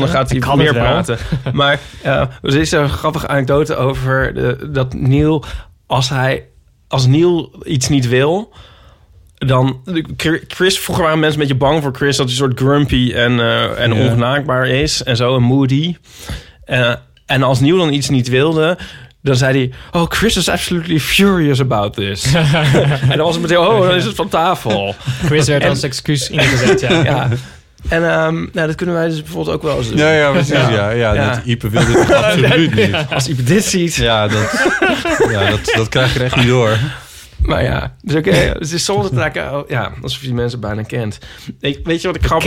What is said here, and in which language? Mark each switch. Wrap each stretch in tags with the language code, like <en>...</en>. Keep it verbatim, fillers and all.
<nl>Dan gaat hij, hij meer praten. maar uh, er is een grappige anekdote over de, dat Neil... Als, hij, als Neil iets niet wil... Dan, Chris, vroeger waren mensen een beetje bang voor Chris... dat hij een soort grumpy en, uh, en yeah. ongenaakbaar is en zo, en moody. Uh, en als Neil dan iets niet wilde... dan zei hij...</nl> <en>oh, Chris is absolutely furious about this.</en> <nl>en dan was het meteen... oh, dan is het van tafel. Chris werd en, als excuus ingezet, ja. ja. En um, nou, dat kunnen wij dus bijvoorbeeld ook wel eens doen. Ja, ja, precies. Ja, ja, ja, ja. Dat Ipe wil dit absoluut niet. Ja. Als Ipe dit ziet... Ja, dat, ja dat, dat krijg je er echt niet door. Maar ja, dus oké, okay, het is soms dat ik, ja, alsof je die mensen bijna kent. Ik, weet je wat ik grappig</nl>